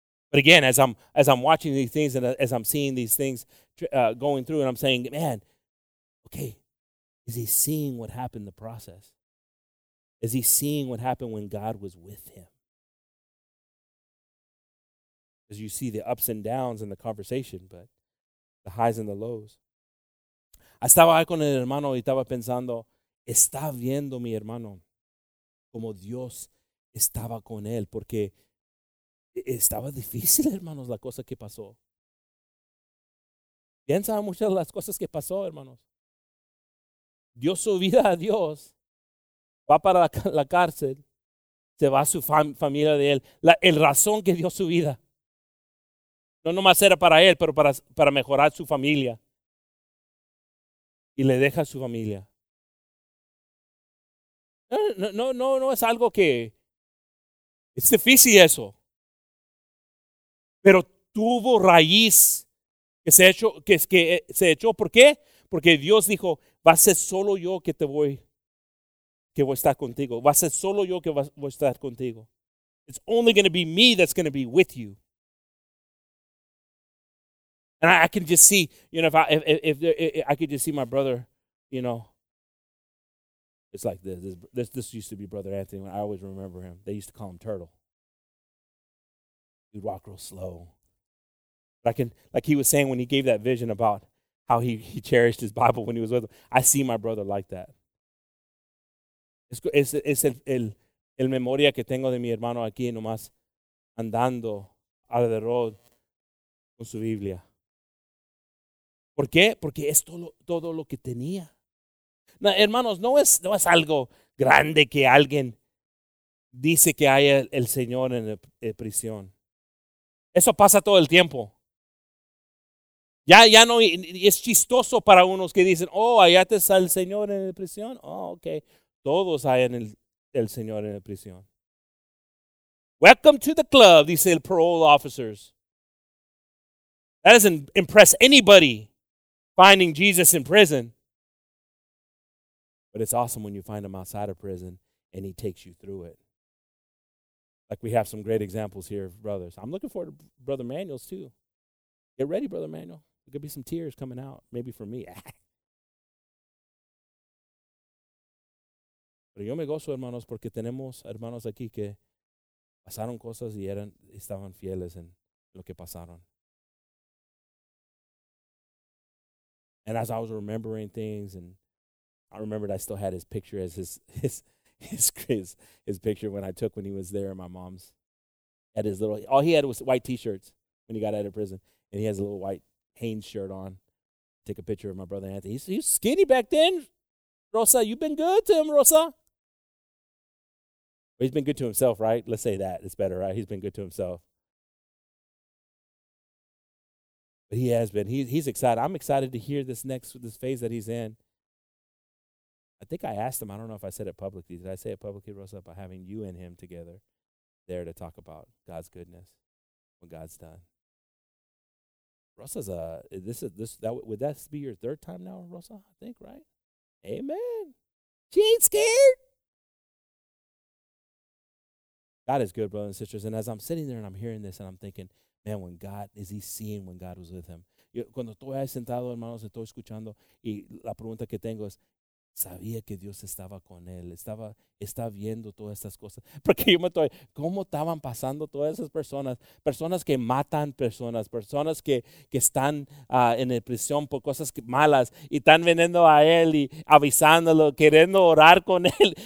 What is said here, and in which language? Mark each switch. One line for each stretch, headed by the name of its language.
English: But again, as I'm watching these things and as I'm seeing these things going through, and I'm saying, man, okay, is he seeing what happened in the process? Is he seeing what happened when God was with him? As you see the ups and downs in the conversation, but the highs and the lows.
Spanish: I estaba ahí con el hermano y estaba pensando, está viendo mi hermano como Dios estaba con él, porque estaba difícil, hermanos, la cosa que pasó. Piensa muchas de las cosas que pasó, hermanos. Dio su vida a Dios. Va para la cárcel. Se va a su familia de él. El razón que dio su vida. No nomás era para él, pero para mejorar su familia. Y le deja a su familia. No es algo que... Es difícil eso. Pero tuvo raíz que se echó. ¿Por qué? Porque Dios dijo, va a ser solo yo que voy a estar contigo. Va a ser solo yo que voy a estar contigo.
English: It's only going to be me that's going to be with you. And I can just see, you know, if I could just see my brother, you know, it's like this used to be Brother Anthony. I always remember him. They used to call him Turtle. He'd walk real slow. Like he was saying when he gave that vision about how he cherished his Bible when he was with him. I see my brother like that.
Spanish: Es el memoria que tengo de mi hermano aquí nomás andando al de road con su Biblia. ¿Por qué? Porque es todo lo que tenía. No, hermanos, no es algo grande que alguien dice que haya el Señor en la prisión. Eso pasa todo el tiempo. Ya no, y es chistoso para unos que dicen, oh, allá te está el Señor en la prisión. Oh, okay. Todos hay en el Señor en la prisión.
English: Welcome to the club,
Spanish: dice el
English: parole officers. That doesn't impress anybody finding Jesus in prison. But it's awesome when you find him outside of prison and he takes you through it. Like we have some great examples here, brothers. I'm looking forward to Brother Manuel's too. Get ready, Brother Manuel. There could be some tears coming out, maybe for me.
Spanish: Pero yo me gozo, hermanos, porque tenemos hermanos aquí que pasaron cosas y estaban fieles en lo que pasaron.
English: And as I was remembering things, and I remembered I still had his picture as his picture when I took when he was there in my mom's. Had his little, all he had was white t-shirts when he got out of prison. And he has a little white Hanes shirt on. Take a picture of my brother Anthony. He's skinny back then, Rosa. You've been good to him, Rosa. But he's been good to himself, right? Let's say that. It's better, right? He's been good to himself. But he has been. He's excited. I'm excited to hear this phase that he's in. I think I asked him. I don't know if I said it publicly. Did I say it publicly, Rosa, about having you and him together there to talk about God's goodness, what God's done? Would that be your third time now, Rosa? I think, right? Amen. She ain't scared. God is good, brothers and sisters. And as I'm sitting there and I'm hearing this and I'm thinking, man, when God, is he seeing when God was with him?
Spanish: Cuando estoy sentado, hermanos, estoy escuchando, y la pregunta que tengo es, ¿sabía que Dios estaba con él? ¿Está viendo todas estas cosas? Porque yo me estoy, ¿cómo estaban pasando todas esas personas? Personas que matan personas, personas que están en la prisión por cosas malas, y están viniendo a él y avisándolo, queriendo orar con él.